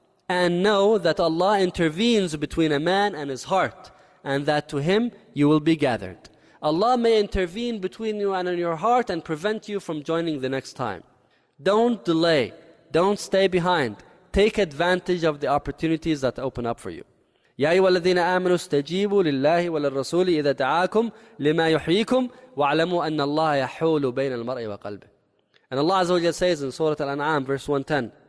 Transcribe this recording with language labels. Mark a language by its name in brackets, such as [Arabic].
[English] And know that Allah intervenes between a man and his heart, and that to Him you will be gathered. Allah may intervene between you and in your heart and prevent you from joining the next time. Don't delay. Don't stay behind. Take advantage of the opportunities that open up for you. [Arabic] يا أيها الذين آمنوا استجيبوا لله وللرسول إذا دعاكم لما يحييكم واعلموا أن الله يحول بين المرء وقلبه. [English] And Allah عز وجل says in Surah Al-An'am verse 110,